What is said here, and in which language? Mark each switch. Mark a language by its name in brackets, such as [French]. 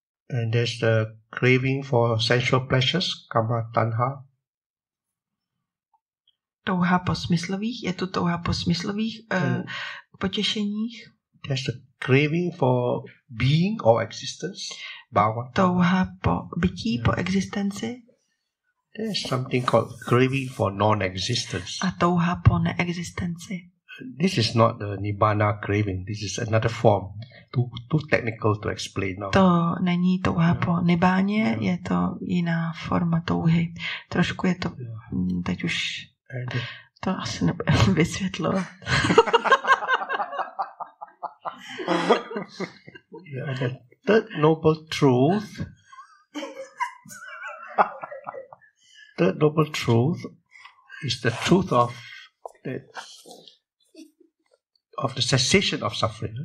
[English] And there's the craving for sensual pleasures, kama tanha. [Czech] Touha po smyslových, je to touha po smyslových potěšeních. [English] There's the craving for being or existence. [Czech] Touha po bytí, po existenci. [English] There's something called craving for non-existence. [Czech] A touha po neexistenci. [English] This is not the nibbana craving. This is another form. Too technical to explain now. [Czech] To není touha po nibbáně, je to jiná forma touhy. Trošku je to teď už to asi nebude vysvětlovat. [English] Yeah, the third noble truth. Third noble truth is the truth of the cessation of suffering.